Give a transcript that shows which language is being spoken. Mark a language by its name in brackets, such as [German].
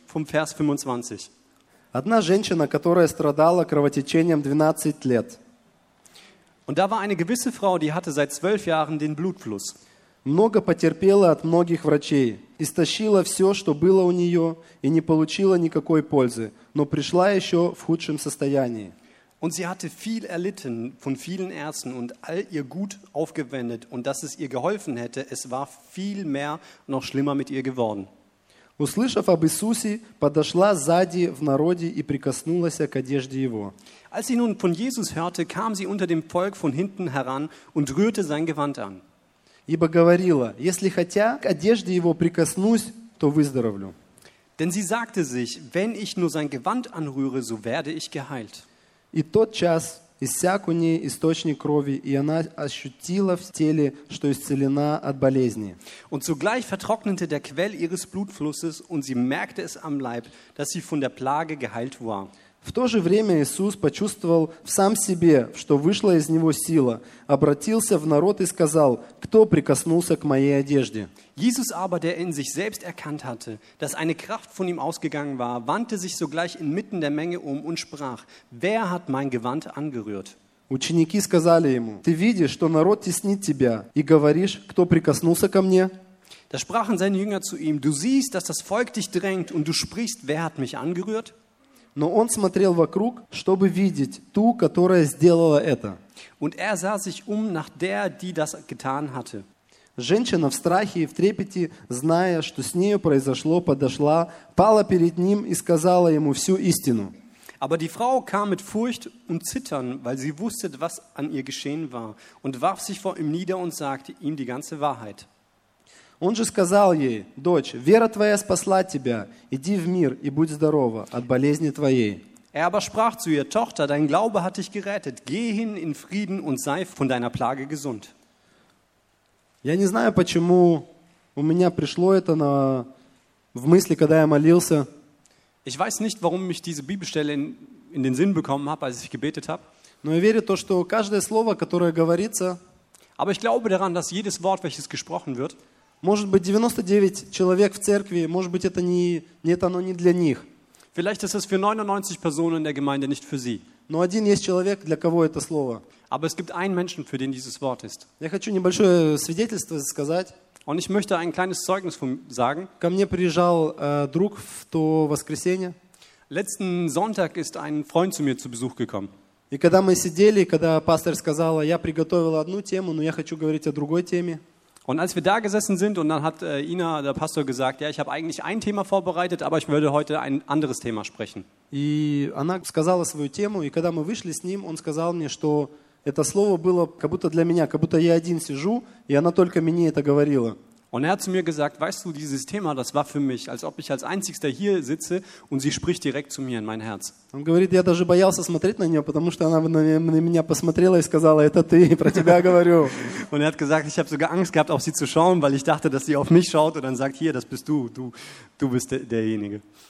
[German] vom Vers 25. [Russian] Одна женщина, которая страдала кровотечением 12 лет. [German] Und da war eine gewisse Frau, die hatte seit 12 Jahren den Blutfluss. [Russian] Много потерпела от многих врачей, истощила все, что было у нее, и не получила никакой пользы, но пришла еще в худшем состоянии. [German] Und sie hatte viel erlitten von vielen Ärzten und all ihr Gut aufgewendet, und dass es ihr geholfen hätte, es war viel mehr noch schlimmer mit ihr geworden. [Russian] Услышав об Иисусе, подошла сзади в народе и прикоснулась к одежде Его. [German] Als sie nun von Jesus hörte, kam sie unter dem Volk von hinten heran und rührte sein Gewand an. [Russian] Ибо говорила, если хотя к одежде Его прикоснусь, то выздоровлю. [German] Denn sie sagte sich, wenn ich nur sein Gewand anrühre, so werde ich geheilt. [Russian] И тот час иссяк у ней источник крови, и она ощутила в теле, что исцелена от болезни. [German] Und zugleich vertrocknete der Quell ihres Blutflusses, und sie merkte es am Leib, dass sie von der Plage geheilt war. [Russian] В то же время Иисус почувствовал в сам себе, что вышла из него сила, обратился в народ и сказал: «Кто прикоснулся к моей одежде?» [German] Jesus aber, der in sich selbst erkannt hatte, dass eine Kraft von ihm ausgegangen war, wandte sich sogleich inmitten der Menge um und sprach: «Wer hat mein Gewand angerührt?» [Russian] Ученики сказали ему: «Ты видишь, что народ теснит тебя, и говоришь: «Кто прикоснулся ко мне?»» [German] Da sprachen seine Jünger zu ihm: «Du siehst, dass das Volk dich drängt, und du sprichst: «Wer hat mich angerührt?»» [Russian] Но он смотрел вокруг, чтобы видеть ту, которая сделала это. [German] Und er sah sich um nach der, die das getan hatte. [Russian] Женщина в страхе и в трепете, зная, что с нею произошло, подошла, пала перед ним и сказала ему всю истину. [German] Aber die Frau kam mit Furcht und Zittern, weil sie wusste, was an ihr geschehen war, und warf sich vor ihm nieder und sagte ihm die ganze Wahrheit. [Russian] Он же сказал ей: «Дочь, вера твоя спасла тебя. Иди в мир и будь здорова от болезни твоей». [German] Er aber sprach zu ihr: «Tochter, dein Glaube hat dich gerettet. Geh hin in Frieden und sei von deiner Plage gesund». [Russian] Я не знаю, почему у меня пришло это на в мысли, когда я молился. [German] Ich weiß nicht, warum mich diese Bibelstelle in den Sinn bekommen habe, als ich gebetet habe. [Russian] Но я верю то, что каждое слово, которое говорится, [German] aber ich glaube daran, dass jedes Wort, welches gesprochen wird, [Russian] может быть, 99 человек в церкви, может быть, это не, нет, оно не для них. [German] Vielleicht ist es für 99 Personen in der Gemeinde, nicht für sie. [Russian] Но один есть человек, для кого это слово. [German] Aber es gibt einen Menschen, für den dieses Wort ist. [Russian] Я хочу небольшое свидетельство сказать. [German] Und ich möchte ein kleines Zeugnis sagen. [Russian] Ко мне приезжал друг в то воскресенье. [German] Letzten Sonntag ist ein Freund zu mir zu Besuch gekommen. [Russian] И когда мы сидели, когда пастор сказал, я приготовила одну тему, но я хочу говорить о другой теме. [German] Und als wir da gesessen sind, und dann hat Ina, der Pastor, gesagt, ja, ich habe eigentlich ein Thema vorbereitet, aber ich würde heute ein anderes Thema sprechen. [Russian] И она сказала свою тему, и когда мы вышли с ним, он сказал мне, что это слово было как будто для меня, как будто я один сижу, и она только мне это говорила. [German] Und er hat zu mir gesagt, weißt du, dieses Thema, das war für mich, als ob ich als einzigster hier sitze und sie spricht direkt zu mir in mein Herz. [Russian] Он говорит, я даже боялся смотреть на нее, потому что она на меня посмотрела и сказала, это ты, про тебя говорю. [German] Und er hat gesagt, ich habe sogar Angst gehabt, auf sie zu schauen, weil ich dachte, dass sie auf mich schaut und dann sagt, hier, das bist du, du bist derjenige.